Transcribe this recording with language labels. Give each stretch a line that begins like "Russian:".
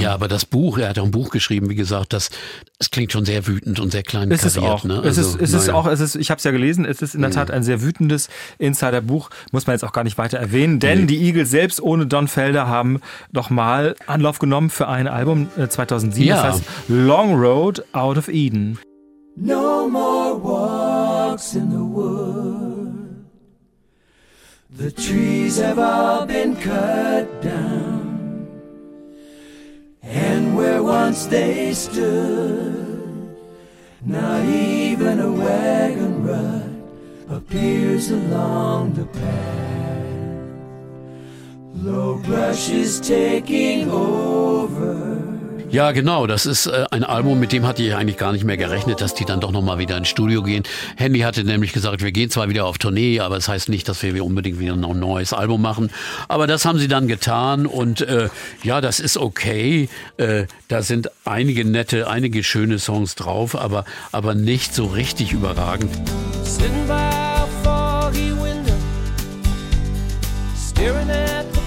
German: Ja, aber das Buch, er hat auch ein Buch geschrieben, wie gesagt, das klingt schon sehr wütend und sehr klein. Ist es auch. Ne? Ich habe es ja gelesen, es ist in der Tat ein sehr wütendes Insider-Buch, muss man jetzt auch gar nicht weiter erwähnen, denn die Eagles selbst ohne Don Felder haben nochmal Anlauf genommen für ein Album 2007, ja. Das heißt Long Road Out of Eden.
English: No more walks in the wood. The trees have all been cut down. And where once they stood, not even a wagon rut appears along the path. Low brush is taking over.
German: Ja, genau. Das ist ein Album, mit dem hatte ich eigentlich gar nicht mehr gerechnet, dass die dann doch nochmal wieder ins Studio gehen. Handy hatte nämlich gesagt, wir gehen zwar wieder auf Tournee, aber es das heißt nicht, dass wir unbedingt wieder ein neues Album machen. Aber das haben sie dann getan und ja, das ist okay. Da sind einige nette, einige schöne Songs drauf, aber nicht so richtig überragend.
English: Sitting by a foggy window, staring at